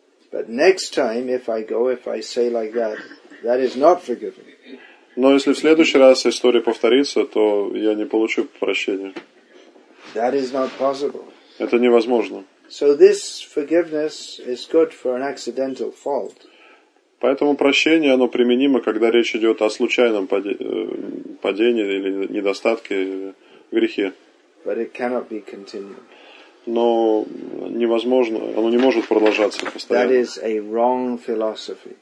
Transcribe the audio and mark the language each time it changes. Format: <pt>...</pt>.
<en>But next time, if I go, if I say like that, that is not forgiven.</en> <ru>Но если в следующий раз история повторится, то я не получу прощения.</ru> <en>That is not possible.</en> <ru>Это невозможно.</ru> <en>So this forgiveness is good for an accidental fault.</en> <ru>Поэтому прощение, оно применимо, когда речь идет о случайном падении или недостатке, грехе.</ru> <en>But it cannot be continued.</en> <ru>Но невозможно, оно не может продолжаться постоянно.</ru> <en>That is a wrong philosophy.</en>